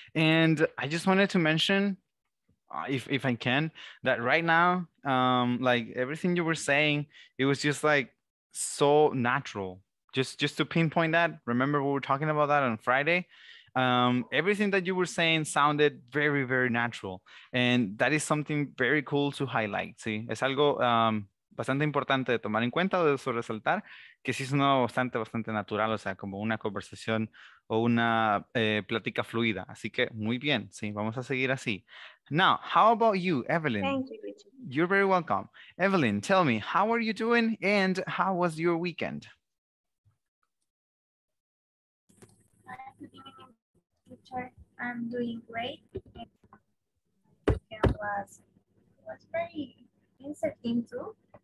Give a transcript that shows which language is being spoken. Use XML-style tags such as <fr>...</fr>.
<en>And I just wanted to mention, if I can, that right now, like everything you were saying, it was just like so natural. Just to pinpoint that, remember we were talking about that on Friday. Everything that you were saying sounded very, very natural. And that is something very cool to highlight.</en> <es>¿Sí? Es algo bastante importante de tomar en cuenta o de resaltar, que sí sonó bastante, bastante natural, o sea, como una conversación o una plática fluida. Así que muy bien, sí, vamos a seguir así.</es> <en>Now, how about you, Evelyn? Thank you, Richard. You're very welcome. Evelyn, tell me, how are you doing and how was your weekend? I'm doing great. It was very interesting too.</en>